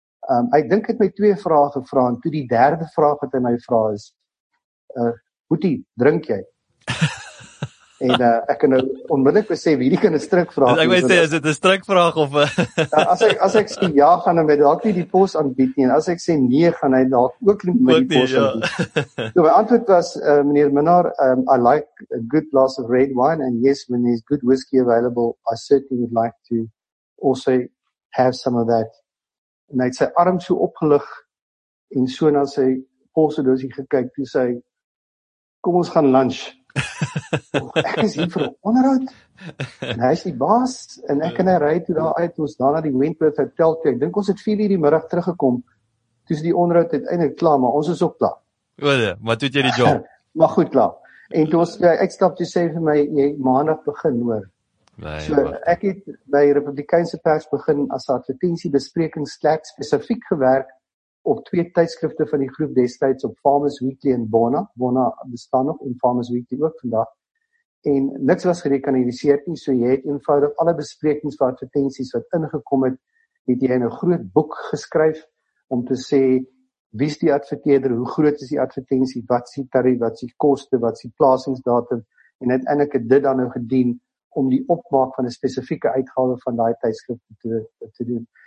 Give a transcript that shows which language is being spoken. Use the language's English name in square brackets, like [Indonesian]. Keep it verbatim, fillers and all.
[Afrikaans] Um hy dink het my twee vrae gevra en toe die derde vraag wat hy my vra is: uh "Boetie, drink jy?" En uh, ek kan nou onmiddellik besef hierdie kan 'n strikvraag wees. Ek wou sê is dit 'n strikvraag of uh, as ek as ek sê ja gaan hy my dalk nie die pos aanbied nie en as ek sê nee gaan hy dalk ook nie my die pos aanbied. Ja. So my antwoord was [English] uh, meneer Minnar, um, I like a good glass of red wine and yes when there's good whiskey available I certainly would like to also have some of that. [Afrikaans] En hy het sy arm so opgelig en so na sy polsdoosie gekyk toe sê kom ons gaan lunch. Oh, ek is hier vir 'n onderhoud en hy is die baas en ek en hy ry toe daar uit ons daar na die Wentworth Hotel toe. Ek dink ons het vier uur die middag teruggekom. Toe is die onderhoud uiteindelik klaar, maar ons is ook klaar. Oor, maar toe het jy die job. Maar goed klaar. En toe ons uitstap toe sê vir my jy maandag begin hoor. Nee, so wat? Ek het by Republikeinse Pers begin as 'n advertensiebesprekingsklerk spesifiek gewerk op twee tydskrifte van die groep destyds op Farmers Weekly en Bona. Bona bestaan nog en Farmers Weekly ook vandag. En niks was gerekanaliseer nie, so jy het eenvoudig alle besprekings van advertensies wat ingekom het, het jy in 'n groot boek geskryf om te sê wie's die adverteerder, hoe groot is die advertensie, wat is die tarief, wat is die koste, wat is die plasingsdatum en uiteindelik het dit dan nou gedien om die opmaak van 'n spesifieke uitgawe van daai tydskrifte te, te doen.